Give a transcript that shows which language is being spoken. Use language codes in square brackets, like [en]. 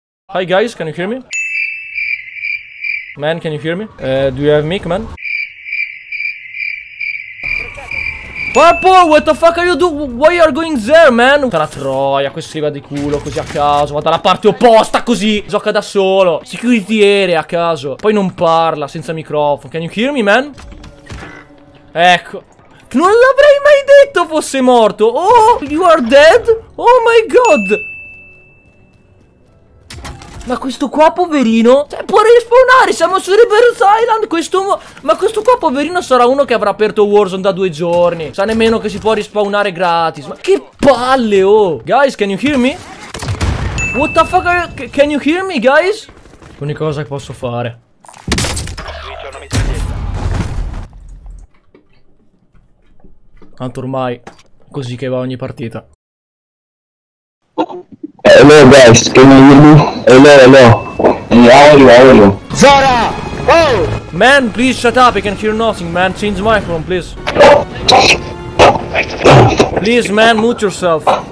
[en] Hi guys, can you hear me? Man, can you hear me? Do you have mic, man? Purple, what the fuck are you doing? Why are you going there, man? [it] Tra troia, questo si va di culo così a caso. Va dalla parte opposta così. Gioca da solo. Security area a caso. Poi non parla senza microfono. [en] Can you hear me, man? [it] Ecco. Non l'avrei mai detto fosse morto. [en] Oh, you are dead? Oh my god. [it] Ma questo qua, poverino, cioè, può respawnare, siamo su Rebirth Island, questo qua, poverino, sarà uno che avrà aperto Warzone da 2 giorni. Sa nemmeno che si può respawnare gratis. Ma che palle, oh. [en] Guys, can you hear me? What the fuck are you... Can you hear me, guys? [it] L'unica cosa che posso fare. Tanto ormai, così che va ogni partita. [en] Hello guys, can you hear me? Hello. How are you? Zara! Oh! Man, please shut up, I can hear nothing, man. Change microphone, please. Please, man, mute yourself.